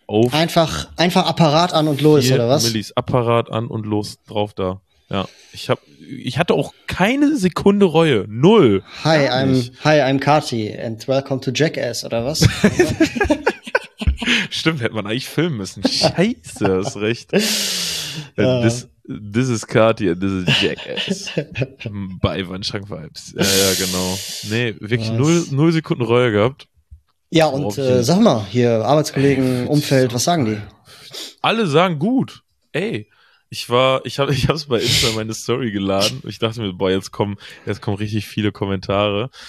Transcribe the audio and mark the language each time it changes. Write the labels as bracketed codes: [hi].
[de] Einfach Apparat an und los, oder was? Millis, Apparat an und los, drauf da. Ja, ich hatte auch keine Sekunde Reue. Null. [en] Hi, I'm Kati and welcome to Jackass, [de] oder was? Stimmt, hätte man eigentlich filmen müssen. Scheiße, hast recht. Ja. [en] This is Kati and this is Jackass. [de] Bei Wandschrank Vibes. Ja, genau. Nee, wirklich null Sekunden Reue gehabt. Ja, und sag mal, hier Arbeitskollegen, Umfeld, was sagen die? Alle sagen gut. Ey. Ich hab's bei Insta meine Story geladen. Ich dachte mir, boah, jetzt kommen richtig viele Kommentare.